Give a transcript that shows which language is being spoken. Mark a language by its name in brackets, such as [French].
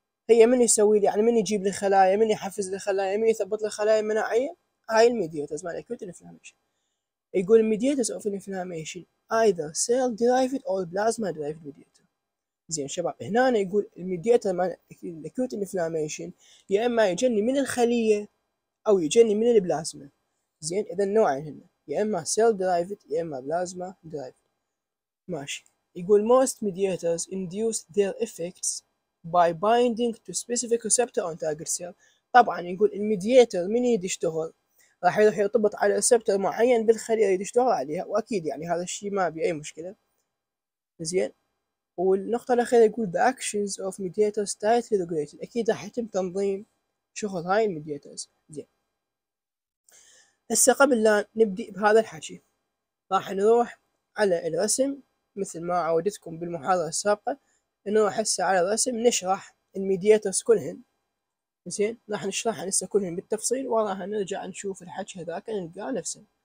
[Arabic] هي من يسوي لي يعني من يجيب الخلايا، من يحفز الخلايا، من يثبط الخلايا المناعية، هاي الميدياتورز مال الأكيوت إنفلاميشن. يقول الميدياتورز أوف إنفلاميشن [English] either cell derived or plasma derived mediator. [Arabic] زين شباب، هنا يقول الميدياتور مال الأكيوت إنفلاميشن يا إما يجني من الخلية أو يجني من البلازما. زين، إذا نوعين هنا، يا إما [English] cell derived [Arabic] يا إما بلازما derived. ماشي، يقول [English] most mediators induce their effects by binding to specific receptor on target cell. [Arabic] طبعا يقول الميدياتور من يريد يشتغل راح يروح يرتبط على ريسبتر معين بالخليه اللي يشتغل عليها، واكيد يعني هذا الشيء ما بي اي مشكله. زين، والنقطه الاخيره يقول [English] the actions of mediators tightly regulated. [Arabic] اكيد راح يتم تنظيم شغل هاي الميدياتورز. زين، هسه قبل لا نبدي بهذا الحكي راح نروح على الرسم مثل ما عودتكم بالمحاضره السابقه. نروح هسه على الرسم نشرح الميدياتورز كلهن. زين، راح نشرحها هسه كلهن بالتفصيل، وراها نرجع نشوف الحكي هذاك نلقاه نفسنا.